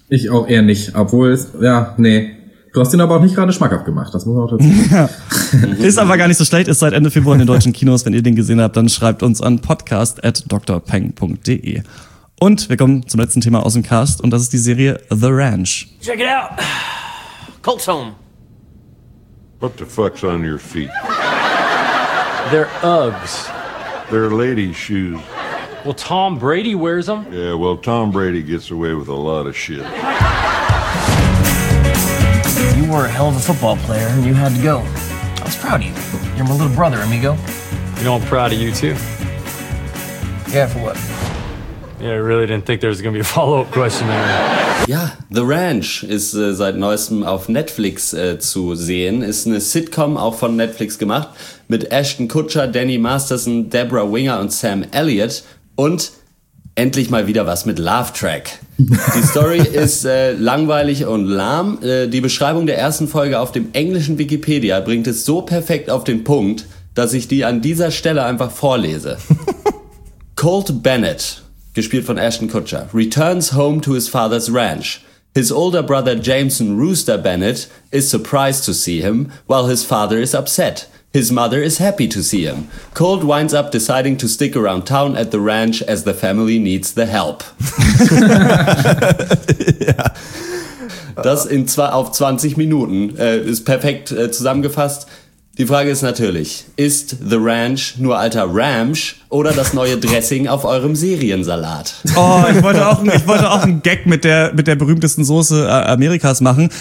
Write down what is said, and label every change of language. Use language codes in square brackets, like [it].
[de] Ich auch eher nicht, obwohl es, du hast ihn aber auch nicht gerade schmackhaft gemacht, das muss man auch dazu sagen. Ist aber gar nicht so schlecht, ist seit Ende Februar in den deutschen Kinos. Wenn ihr den gesehen habt, dann schreibt uns an podcast@drpeng.de. Und wir kommen zum letzten Thema aus dem Cast und das ist die Serie The Ranch. [en] Check it out. Colt's home. What the fuck's on your feet? They're Uggs. They're lady shoes. Well, Tom Brady wears them. Yeah, well, Tom Brady gets away with a lot of shit. You were a hell of a football player and you had to go. I was proud of you. You're my little brother, amigo. You know, I'm proud of you too. Yeah, for what? Yeah, I really didn't think there was gonna be a follow-up question there. [de] Ja, The Ranch ist seit neuestem auf Netflix zu sehen. Ist eine Sitcom, auch von Netflix gemacht, mit Ashton Kutcher, Danny Masterson, Deborah Winger und Sam Elliott. Und endlich mal wieder was mit Laugh Track. Die Story ist langweilig und lahm. Die Beschreibung der ersten Folge auf dem englischen Wikipedia bringt es so perfekt auf den Punkt, dass ich die an dieser Stelle einfach vorlese. [en] Colt Bennett, [de] gespielt von [en] Ashton Kutcher, returns home to his father's ranch. His older brother Jameson Rooster Bennett is surprised to see him, while his father is upset. His mother is happy to see him. Colt winds up deciding to stick around town at the ranch as the family needs the help. [de] Ja. Das in auf 20 Minuten ist perfekt zusammengefasst. Die Frage ist natürlich, ist The Ranch nur alter Ramsch oder das neue Dressing auf eurem Seriensalat? Oh, ich wollte auch einen Gag mit der berühmtesten Soße Amerikas machen.